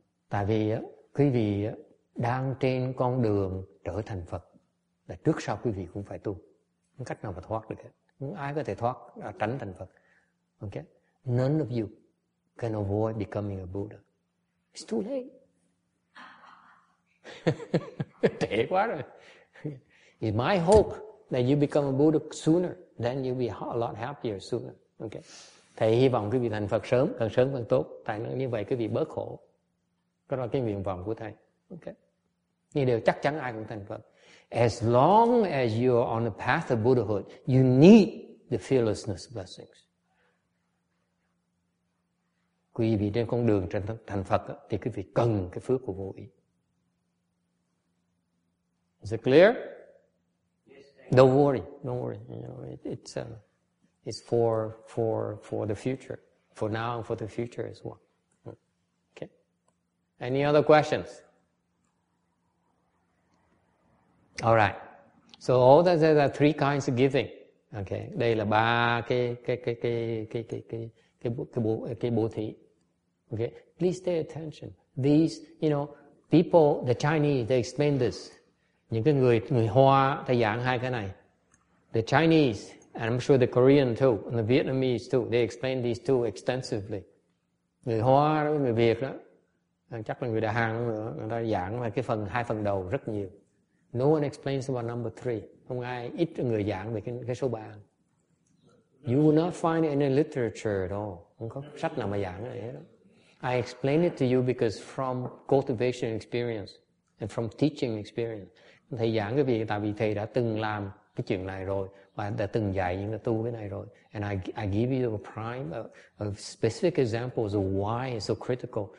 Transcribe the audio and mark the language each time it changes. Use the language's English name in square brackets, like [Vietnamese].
[Vietnamese] Tại vì quý vị đang trên con đường trở thành Phật. Là trước sau quý vị cũng phải tu. Không cách nào mà thoát được hết. Không ai có thể thoát, tránh thành Phật. [English] Okay? None of you can avoid becoming a Buddha. It's too late. [Vietnamese] Trễ quá rồi. [English] It's my hope that you become a Buddha sooner, then you'll be a lot happier sooner. Okay? [Vietnamese] Thầy hy vọng quý vị thành Phật sớm, càng sớm càng tốt. Tại như vậy quý vị bớt khổ. Đó là cái nguyện vọng của thầy. Okay? Như điều chắc chắn ai cũng thành Phật. [English] As long as you are on the path of Buddhahood, you need the fearlessness blessings. [Vietnamese] Quý vị trên con đường trên thành Phật thì quý vị cần cái phước của vô ý. [English] Is it clear? Yes, don't worry, don't worry. You know, it's for the future, for now and for the future as well. Okay? Any other questions? All right. So all that, there are three kinds of giving. [Vietnamese] Okay. Đây là ba cái bố thí. Okay. [English] Please pay attention. These, you know, people, the Chinese, they explain this. [Vietnamese] Những cái người Hoa ta giảng hai cái này. [English] The Chinese, and I'm sure the Korean too, and the Vietnamese too, they explain these two extensively. [Vietnamese] Người Hoa đó, người Việt đó, chắc là người Đà Hàn nữa, người ta giảng về cái phần hai phần đầu rất nhiều. [English] No one explains about number three. [Vietnamese] Không ai, ít người giảng về cái số ba. [English] You will not find any literature at all. [Vietnamese] Không có sách nào mà giảng cái này hết đó. [English] I explain it to you because from cultivation experience and from teaching experience, [Vietnamese] thầy giảng cái việc tại vì thầy đã từng làm cái chuyện này rồi và đã từng dạy những cái tu cái này rồi. [English] And I give you a prime of specific examples of why it's so critical.